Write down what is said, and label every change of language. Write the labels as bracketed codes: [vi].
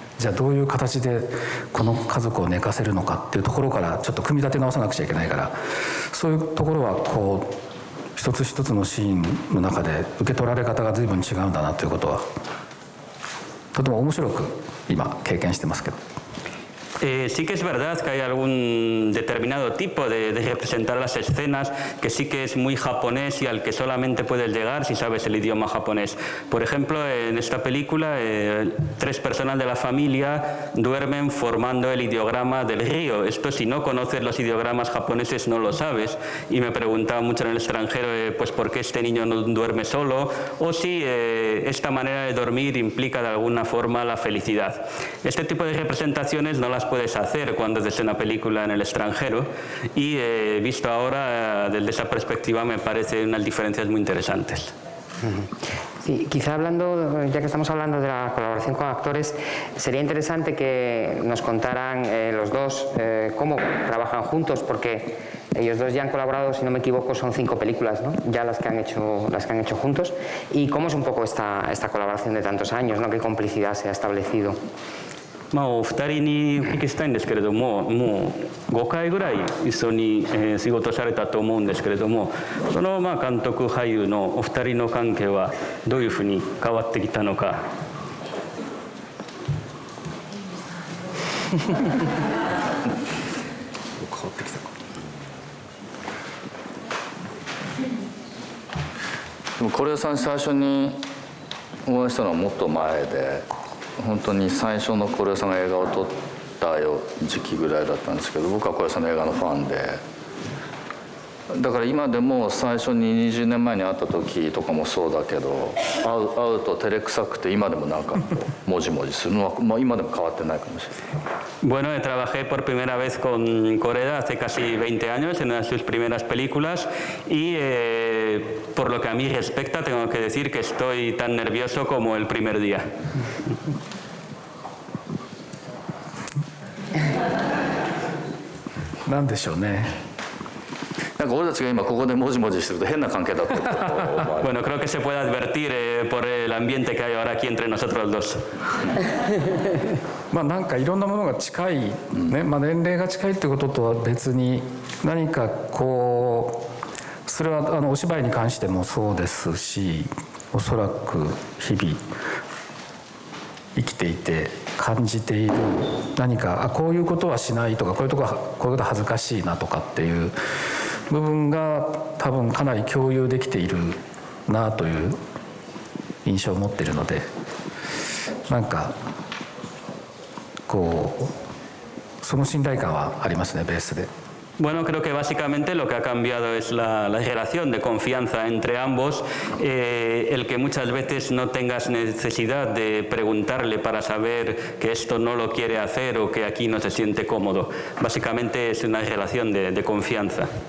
[ja] じゃあどういう形でこの家族を寝かせるのかっていうところからちょっと組み立て直さなくちゃいけないから、そういうところはこう一つ一つのシーンの中で受け取られ方が随分違うんだなということはとても面白く今経験してますけど。 [es] Sí que es verdad que hay algún determinado tipo de representar las escenas que sí que es muy japonés y al que solamente puedes llegar si sabes el idioma japonés. Por ejemplo, en esta película, tres personas de la familia duermen formando el ideograma del río. Esto, si no conoces los ideogramas japoneses, no lo sabes. Y me preguntaba mucho en el extranjero, pues, ¿por qué este niño no duerme solo? O si esta manera de dormir implica de alguna forma la felicidad. Este tipo de representaciones no las puedes hacer cuando haces una película en el extranjero, y visto ahora desde esa perspectiva me parecen unas diferencias muy interesantes. Sí, quizá hablando, ya que estamos hablando de la colaboración con actores, sería interesante que nos contaran los dos cómo trabajan juntos, porque ellos dos ya han colaborado, si no me equivoco, son 5 películas, ¿no? Ya las que han hecho juntos, y cómo es un poco esta colaboración de tantos años, ¿no? Qué complicidad se ha establecido. [ja] まあ、お二人にお聞きしたいんですけれども、もう5回ぐらい一緒に仕事されたと思うんですけれども、そのまあ監督俳優のお二人の関係はどういうふうに変わってきたのか。変わってきたか。でも是枝さん、最初にお会いしたのはもっと前で、本当に最初の小林さんが映画を撮った時期ぐらいだったんですけど、僕は小林さんの映画のファンで、だから今でも最初に20年前に会った時とかもそうだけど、会うと照れくさくて、今でもなんかもじもじするのは、まあ、今でも変わってないかもしれない。 [es] Bueno, trabajé por primera vez con Coreda hace casi 20 años en una de sus primeras películas y por lo que a mí respecta tengo que decir que estoy tan nervioso como el primer día. [ja] なんでしょうね。なんか俺たちが今ここでモジモジしてると変な関係だってこと。 [es] Bueno, creo que se puede advertir por el ambiente que hay ahora aquí entre nosotros dos. [ja] まあなんかいろんなものが近い、ね、まあ、年齢が近いってこととは別に、何かこう、それはお芝居に関してもそうですし、おそらく日々生きていて感じている何か、あ、こういうことはしないとか、こういうとこはこういうことは恥ずかしいなとかっていう部分が多分かなり共有できているなという印象を持っているので、なんかこうその信頼感はありますね、ベースで。 [es] Bueno, creo que básicamente lo que ha cambiado es la relación de confianza entre ambos, el que muchas veces no tengas necesidad de preguntarle para saber que esto no lo quiere hacer o que aquí no se siente cómodo. Básicamente es una relación de confianza.